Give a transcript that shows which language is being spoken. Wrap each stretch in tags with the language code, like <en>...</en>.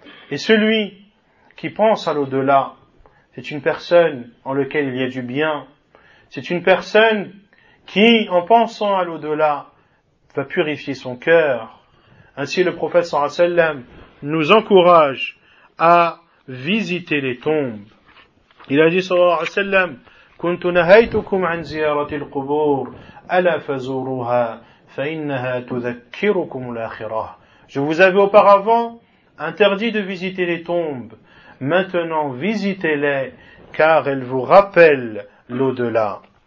<fr>Et celui qui pense à l'au-delà, c'est une personne en laquelle il y a du bien. C'est une personne qui, en pensant à l'au-delà, va purifier son cœur. Ainsi le prophète sallallahu alayhi wa sallam nous encourage à visiter les tombes. Il a dit</fr> <ar>sallallahu alayhi wa sallam, كنت نهيتكم عن زيارة القبور ألا فزوروها فإنها تذكركم الآخرة.</ar> <fr>Je vous avais auparavant interdit de visiter les tombes. Maintenant, visitez-les car elles vous rappellent l'au-delà.</fr>